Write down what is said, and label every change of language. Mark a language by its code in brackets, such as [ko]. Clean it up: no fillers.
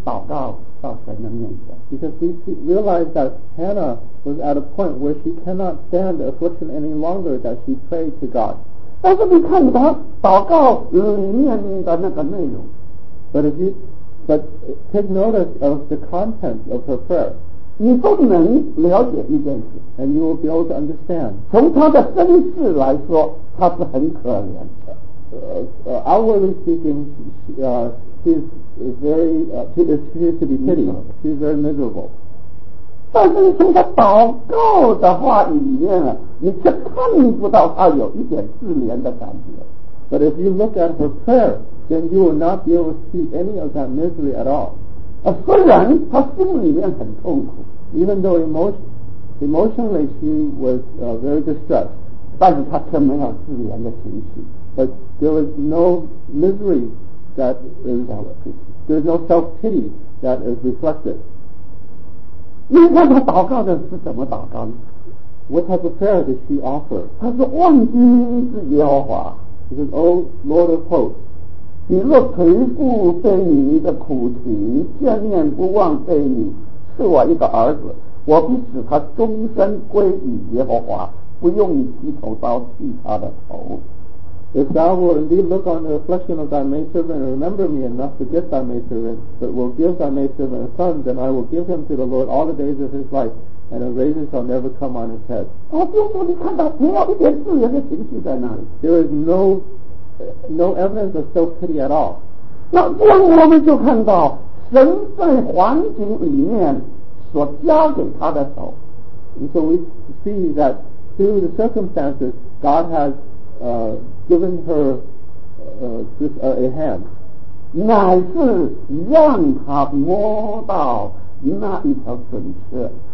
[en] Because we realized that Hannah was at a point where she cannot stand the affliction any longer that she prayed to God. [zh] 但是你看他祷告里面的那个内容 [en] but take notice of the content of her prayer [zh] 你都能了解一件事 [en] and you will be able to understand [zh] 从他的身世来说他是很可怜的 [en] outwardly speaking she is very miserable [zh] 但是你从他祷告的话里面你却看不到他有一点自怜的感觉。 [en] But if you look at her prayer, then you will not be able to see any of that misery at all. [zh] 虽然他心里面很痛苦 [en] ，even though emotionally she was very distressed， [zh] 但是他却没有自怜的情绪。 [en] But there was no misery that is there's no self pity that is reflected. [zh] 你看他祷告的是怎么祷告呢？ [en] What type of prayer did she offer? [zh] 他说万军之耶和华 [en] He says, O Lord of hosts, [zh] 你若垂顾对你的苦情，眷恋不忘对你，赐我一个儿子，我必使他终身归于耶和华，不用剃头刀剃他的头。 [en] If thou wilt indeed look on the reflection of thy maidservant and remember me and not forget thy maidservant, but will give thy maidservant a son, then I will give him to the Lord all the days of his life. And a razor shall never come on his head. There is no evidence of self-pity at all. [zh] 那这样我们就看到神在环境里面所加给他的手。 [en] And so we see that through the circumstances, God has given her a hand. [zh] 乃是让他摸到那一条准则。